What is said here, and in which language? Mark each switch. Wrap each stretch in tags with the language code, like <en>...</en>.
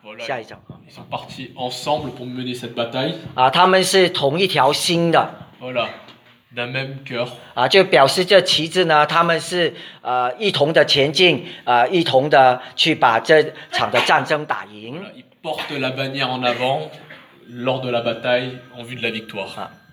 <fr>Voilà,</fr> <zh>下一张,</zh> <fr>ils sont partis ensemble pour mener cette bataille.</fr> <zh>他们是同一条心的。</zh> <fr>Voilà, d'un même cœur.</fr> <zh>就表示这旗帜呢，他们是一同的前进，一同的去把这场的战争打赢。</zh> <fr>Voilà, ils portent la bannière en avant lors de la bataille en vue de la victoire.</fr>